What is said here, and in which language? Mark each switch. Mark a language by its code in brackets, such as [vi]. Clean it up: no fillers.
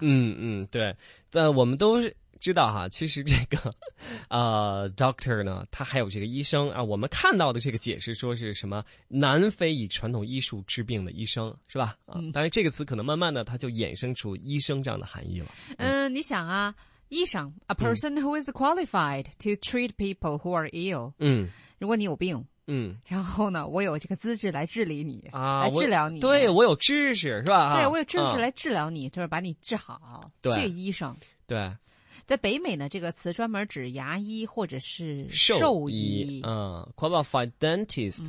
[zh] 嗯嗯，对。我们都是知道哈，其实这个doctor 呢，他还有这个医生啊，我们看到的这个解释说是什么南非以传统医术治病的医生，是吧？啊，当然这个词可能慢慢的它就衍生出医生这样的含义了。嗯，你想啊，医生 [en] ，a person who is qualified to treat people who are ill。嗯， [zh] 如果你有病。嗯，然后呢，我有这个资质来治理你啊，来治疗你。对，我有知识是吧？对，我有知识来治疗你，就是把你治好。对，这个医生。对。在北美呢，这个词专门指牙医或者是兽医， [en] 嗯 ，qualified dentist，、